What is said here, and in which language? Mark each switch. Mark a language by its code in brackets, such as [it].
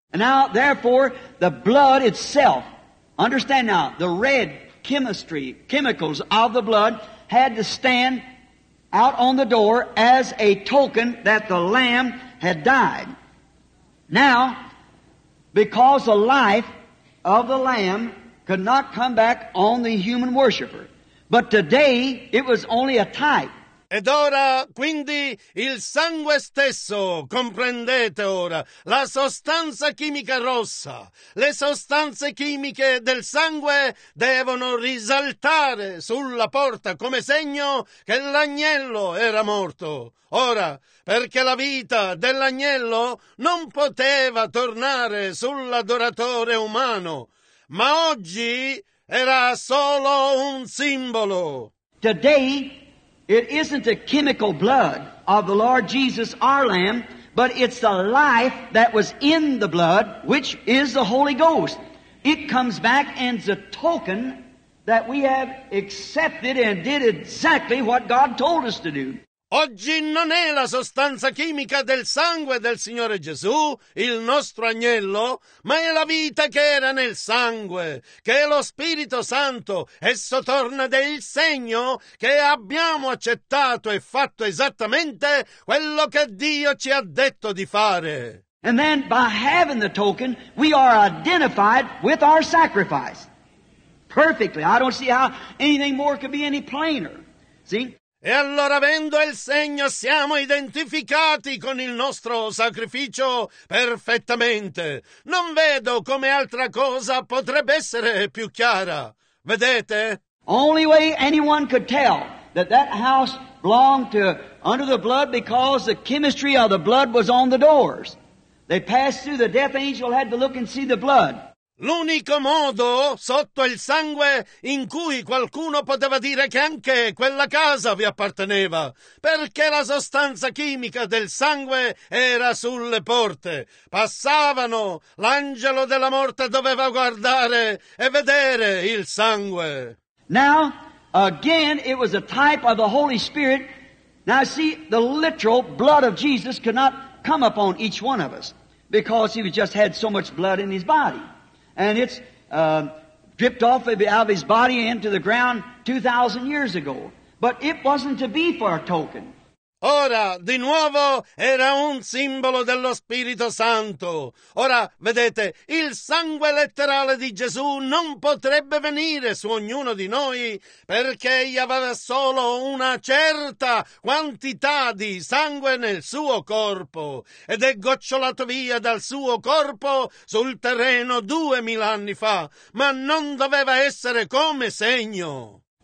[en] Now, therefore, the blood itself, understand now, the red chemistry, chemicals of the blood had to stand out on the door as a token that the Lamb had died. Now, because the life of the Lamb could not come back on the human worshiper, but today it was only a type. [it] Ed ora, quindi, il sangue stesso, comprendete ora, la sostanza chimica rossa, le sostanze chimiche del sangue devono risaltare sulla porta come segno che l'agnello era morto. Ora, perché la vita dell'agnello non poteva tornare sull'adoratore umano, ma oggi era solo un simbolo. [en] Today, it isn't the chemical blood of the Lord Jesus, our Lamb, but it's the life that was in the blood, which is the Holy Ghost. It comes back and is a token that we have accepted and did exactly what God told us to do. [it] Oggi non è la sostanza chimica del sangue del Signore Gesù, il nostro agnello, ma è la vita che era nel sangue, che è lo Spirito Santo. Esso torna ed è il segno che abbiamo accettato e fatto esattamente quello che Dio ci ha detto di fare. [en] And then by having the token, we are identified with our sacrifice. Perfectly. I don't see how anything more could be any plainer. See? [it] E allora, avendo il segno, siamo identificati con il nostro sacrificio perfettamente. Non vedo come altra cosa potrebbe essere più chiara. Vedete? [en] Only way anyone could tell that that house belonged to under the blood because the chemistry of the blood was on the doors. They passed through, the death angel had to look and see the blood. [it] L'unico modo, sotto il sangue, in cui qualcuno poteva dire che anche quella casa vi apparteneva, perché la sostanza chimica del sangue era sulle porte. Passavano, l'angelo della morte doveva guardare e vedere il sangue. [en] Now, again, it was a type of the Holy Spirit. Now, see, the literal blood of Jesus could not come upon each one of us, because he just had so much blood in his body. And it's dripped off of his body into the ground 2,000 years ago. But it wasn't to be for a token. [it] Ora, di nuovo, era un simbolo dello Spirito Santo. Ora, vedete, il sangue letterale di Gesù non potrebbe venire su ognuno di noi perché egli aveva solo una certa quantità di sangue nel suo corpo ed è gocciolato via dal suo corpo sul terreno 2000 anni fa, ma non doveva essere come segno.